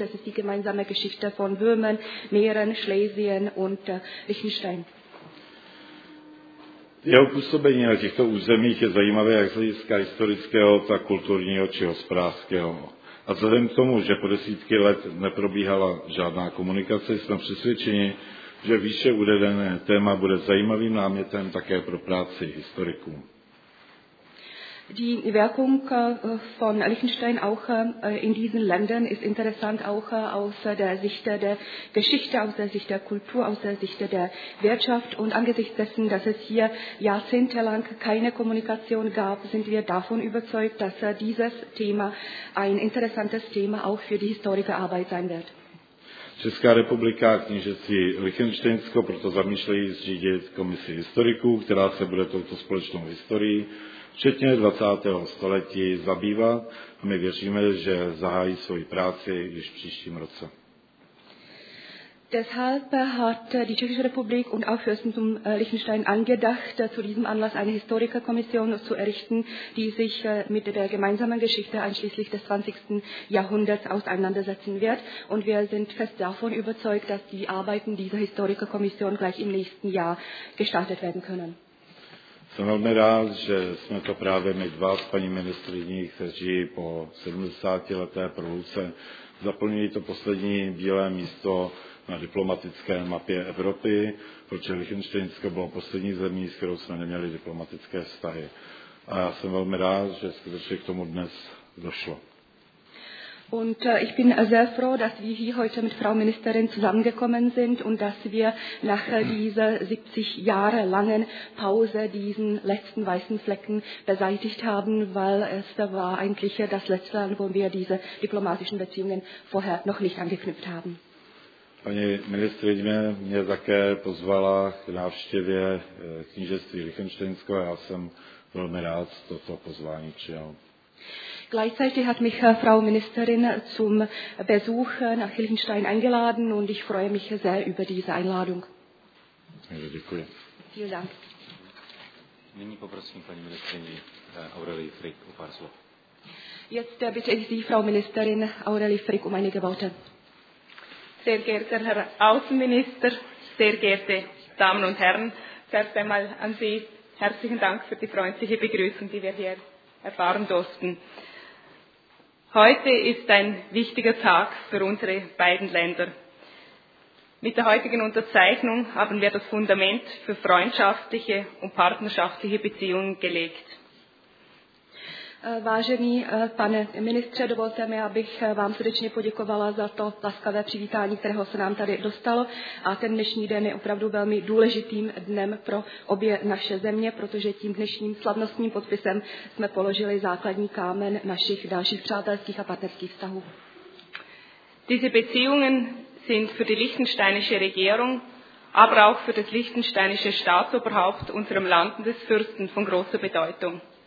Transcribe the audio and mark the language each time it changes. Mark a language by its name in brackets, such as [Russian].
[German] Das ist die gemeinsame Geschichte von Böhmen, Mähren, Schlesien und Liechtenstein. [Czech] Jeho působení na těchto územích je zajímavé jak z hlediska historického, tak kulturního či hospodářského. A vzhledem k tomu, že po desítky let neprobíhala žádná komunikace, jsme přesvědčeni, že výše uvedené téma bude zajímavým námětem také pro práci historiků. [German] Die Wirkung von Liechtenstein auch in diesen Ländern ist interessant, auch aus der Sicht der Geschichte, aus der Sicht der Kultur, aus der Sicht der Wirtschaft. Und angesichts dessen, dass es hier jahrzehntelang keine Kommunikation gab, sind wir davon überzeugt, dass dieses Thema ein interessantes Thema auch für die Historikerarbeit sein wird. [Czech] Česká republika a knížecí Liechtensteinsko proto zamýšlejí zřídit komisi historiků, která se bude touto společnou historií včetně 20. století zabývat a my věříme, že zahájí svoji práci již v příštím roce. [German] Deshalb hat die Tschechische Republik und auch Fürstentum Liechtenstein angedacht, zu diesem Anlass eine Historikerkommission zu errichten, die sich mit der gemeinsamen Geschichte einschließlich des 20. Jahrhunderts auseinandersetzen wird. Und wir sind fest davon überzeugt, dass die Arbeiten dieser Historikerkommission gleich im nächsten Jahr gestartet werden können. [Czech] Jsem velmi rád, že jsme to právě my dva s paní ministryní, kteří po 70. leté průvodce zaplnili to poslední bílé místo na diplomatické mapě Evropy, protože Liechtensteinsko bylo poslední zemí, s kterou jsme neměli diplomatické vztahy. A já jsem velmi rád, že skutečně k tomu dnes došlo. [German] Und ich bin sehr froh, dass wir hier heute mit Frau Ministerin zusammengekommen sind und dass wir nach dieser 70 Jahre langen Pause diesen letzten weißen Flecken beseitigt haben, weil es war eigentlich das letzte Land, wo wir diese diplomatischen Beziehungen vorher noch nicht angeknüpft haben. [Czech] Paní ministerin mě také pozvala k návštěvě knížectví Liechtensteinsko a já jsem velmi rád toto pozvání přijal. [German] Gleichzeitig hat mich Frau Ministerin zum Besuch nach Liechtenstein eingeladen und ich freue mich sehr über diese Einladung. [Czech] Děkuji. [German] Vielen Dank. [Czech] Nyní poprosím paní ministerin Aurelie Frick o pár slov. [German] Jetzt bitte ich Sie, Frau Ministerin Aurelie Frick, einige Worte. Sehr geehrter Herr Außenminister, sehr geehrte Damen und Herren, zuerst einmal an Sie herzlichen Dank für die freundliche Begrüßung, die wir hier erfahren durften. Heute ist ein wichtiger Tag für unsere beiden Länder. Mit der heutigen Unterzeichnung haben wir das Fundament für freundschaftliche und partnerschaftliche Beziehungen gelegt. [Czech] Vážený pane ministře, dovolte mi, abych vám srdečně poděkovala za to laskavé přivítání, kterého se nám tady dostalo. A ten dnešní den je opravdu velmi důležitým dnem pro obě naše země, protože tím dnešním slavnostním podpisem jsme položili základní kámen našich dalších přátelských a partnerských vztahů. [German] Diese Beziehungen sind für die liechtensteinische Regierung, aber auch für das liechtensteinische Staatsoberhaupt unserem Land des Fürsten von großer Bedeutung.